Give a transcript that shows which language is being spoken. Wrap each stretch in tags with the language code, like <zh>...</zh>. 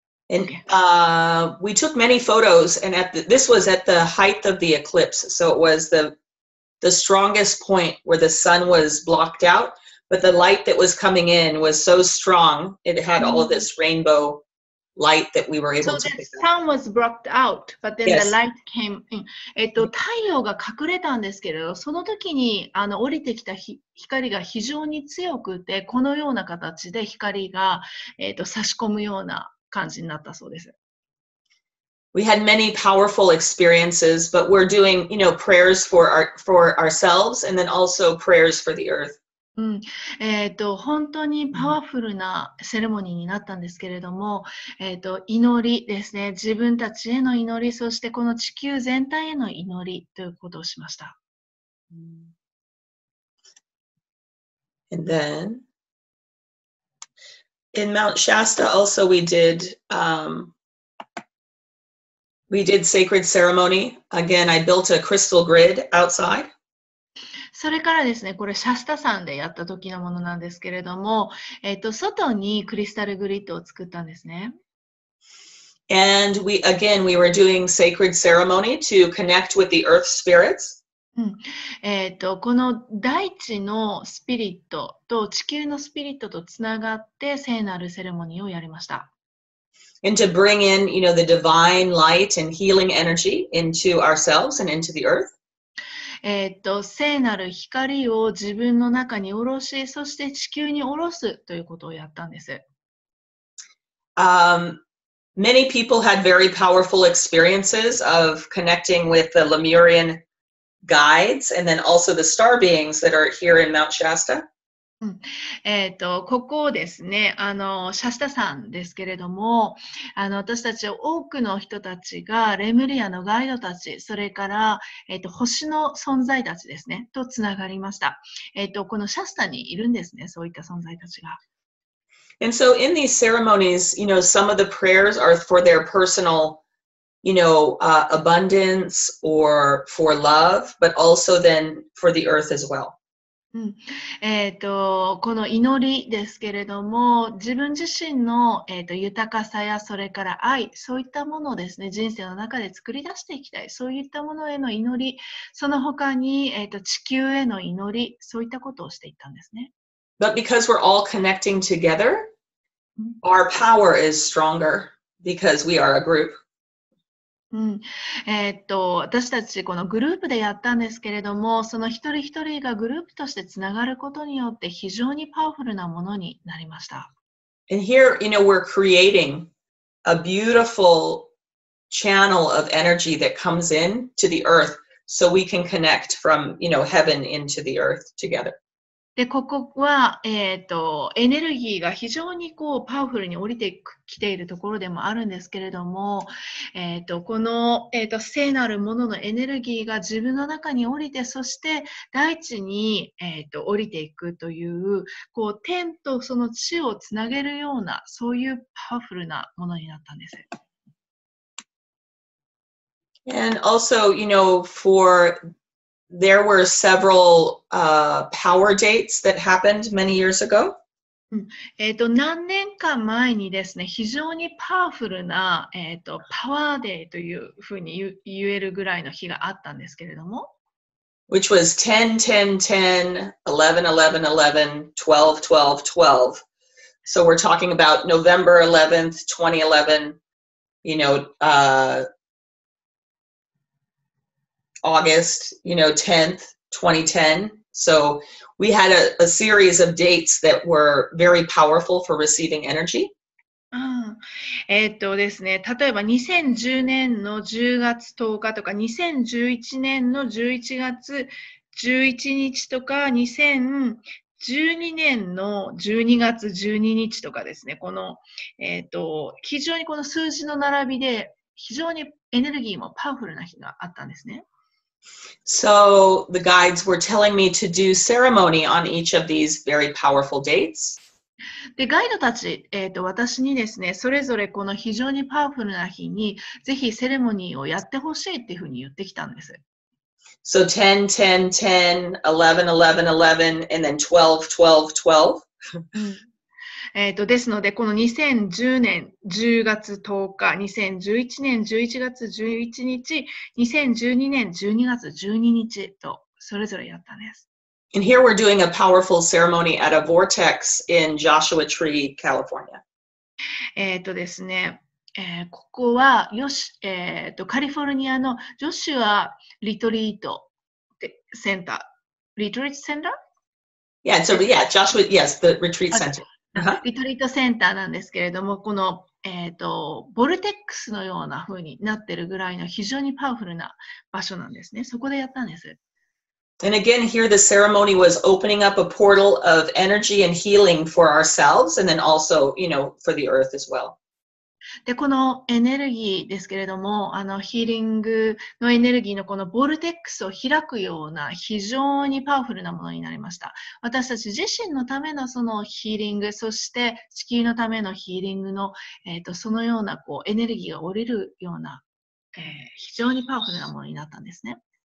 <en>And we took many photos, and this was at the height of the eclipse, so it was the strongest point where the sun was blocked out, but the light that was coming in was so strong, it had all of this rainbow light that we were able to pick up. So the sun was blocked out, but then、yes. the light came in.</en> <ja>太陽が隠れたんですけれど、その時に降りてきた光が非常に強くて、このような形で光が差し込むような感じになったそうです。</ja> <en>We had many powerful experiences, but we're doing, you know, prayers for ourselves and then also prayers for the earth.</en> <ja>本当にパワフルなセレモニーになったんですけれども、祈りですね、自分たちへの祈り、そしてこの地球全体への祈りということをしました。</ja> <en>And then, in Mount Shasta also we did, We did sacred ceremony. Again, I built a crystal grid outside.</en> <ja>それからですね、これシャスタさんでやった時のものなんですけれども、外にクリスタルグリッドを作ったんですね。</ja> <en>And we were doing sacred ceremony to connect with the earth spirits.</en> <ja>この大地のスピリットと地球のスピリットとつながって聖なるセレモニーをやりました。</ja> <en>And to bring in, you know, the divine light and healing energy into ourselves and into the earth.</en> <ja>聖なる光を自分の中に降ろし、そして地球に降ろすということをやったんです。</ja> <en>Many people had very powerful experiences of connecting with the Lemurian guides and then also the star beings that are here in Mount Shasta.</en> <ja>ここですね、シャスタさんですけれども、私たち多くの人たちがレムリアのガイドたち、それから、星の存在たちですね、とつながりました。このシャスタにいるんですね、そういった存在たちが。</ja> <en>And so in these ceremonies, you know, some of the prayers are for their personal, you know, abundance or for love, but also then for the earth as well.</en> <ja>この祈りですけれども、自分自身の、豊かさやそれから愛、そういったものをですね、人生の中で作り出していきたい、そういったものへの祈り、その他に、地球への祈り、そういったことをしていったんですね。</ja> <en>But because we're all connecting together, our power is stronger because we are a group.</en> <ja>私たちこのグループでやったんですけれどもその一人一人がグループとしてつながることによって非常にパワフルなものになりました。</ja> <en>And here, you know, we're creating a beautiful channel of energy that comes in to the earth so we can connect from, you know, heaven into the earth together.</en> <ja>で、ここは、エネルギーが非常にこうパワフルに降りてきているところでもあるんですけれども、この、聖なるもののエネルギーが自分の中に降りて、そして大地に、降りていくという、こう天とその地をつなげるような、そういうパワフルなものになったんです。</ja> <en>And also, you know, for there were several power dates that happened many years ago.</en> <ja>何年か前にですね、非常にパワフルな、パワーデーというふうに言えるぐらいの日があったんですけれども。</ja> <en>Which was 10, 10, 10, 11, 11, 11, 12, 12, 12. So we're talking about November 11th, 2011, you know, August, you know, 10th, 2010. So we had a series of dates that were very powerful for receiving energy.</en> <ja>ですね、例えば2010年の10月10日とか2011年の11月11日とか2012年の12月12日とかですね、この、非常にこの数字の並びで非常にエネルギーもパワフルな日があったんですね。</ja> <en>So the guides were telling me to do ceremony on each of these very powerful dates.</en> <ja>で、ガイドたち、私にですね、それぞれこの非常にパワフルな日に、ぜひセレモニーをやってほしいっていうふうに言ってきたんです。</ja> <en>So 10, 10, 10, 11, 11, 11, and then 12, 12, 12.</en> <ja>ですので、この2010年10月10日、2011年11月11日、2012年12月12日とそれぞれやったんです。</ja> <en>And here we're doing a powerful ceremony at a vortex in Joshua Tree, California.</en> <ja>ですね、ここはカリフォルニアのジョシュアリトリートセンター。リトリートセンター</ja> <en>? Yeah, so yeah, Joshua, yes, the retreat center.</en> <ja>リトリートセンターなんですけれども、この、ボルテックスのような風になってるぐらいの非常にパワフルな場所なんですね。そこでやったんです。</ja> <en>And again, here the ceremony was opening up a portal of energy and healing for ourselves and then also, you know, for the earth as well.</en> <ja>で、このエネルギーですけれども、ヒーリングのエネルギーのこのボルテックスを開くような非常にパワフルなものになりました。私たち自身のためのそのヒーリング、そして地球のためのヒーリングの、そのようなこうエネルギーが降りるような、非常にパワフルなものになったんですね。</ja>